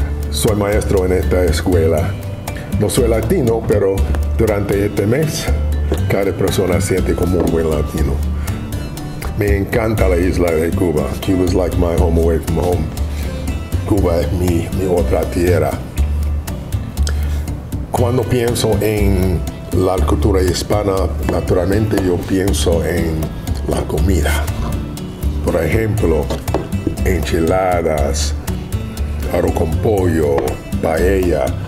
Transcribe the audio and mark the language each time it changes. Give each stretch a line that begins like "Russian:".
Spanish: Soy maestro en esta escuela. No soy latino, pero durante este mes, cada persona siente como un buen latino. Me encanta la isla de Cuba.
English: Cuba is like my home away from home.
Spanish: Cuba es mi otra tierra. Cuando pienso en la cultura hispana, naturalmente yo pienso en la comida. Por ejemplo, enchiladas, arroz con pollo, paella.